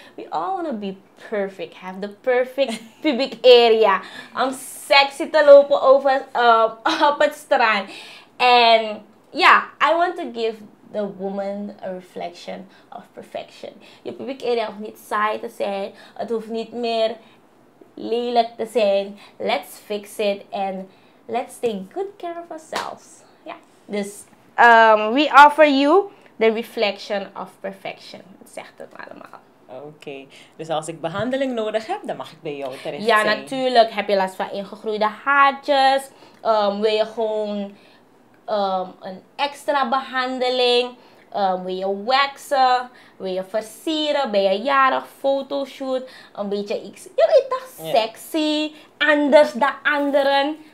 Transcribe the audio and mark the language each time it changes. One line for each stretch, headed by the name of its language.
English: We all want to be perfect, have the perfect pubic area.
Dutch: Om sexy te lopen over op het strand. En ja,
English: I want to give the woman a reflection of perfection.
Dutch: Je pubic area hoeft niet saai te zijn, het hoeft niet meer lelijk te zijn.
English: Let's fix it and let's take good care of ourselves. Yeah.
Dutch: Dus
English: we offer you the reflection of perfection.
Dutch: Dat zegt het allemaal. Oké. Dus als ik behandeling nodig heb, dan mag ik bij jou terecht. Ja, natuurlijk. Heb je last van ingegroeide haartjes? Wil je gewoon een extra behandeling? Wil je waxen, wil je versieren, ben je jarig, fotoshoot, een beetje iets, je weet toch, sexy, anders dan anderen.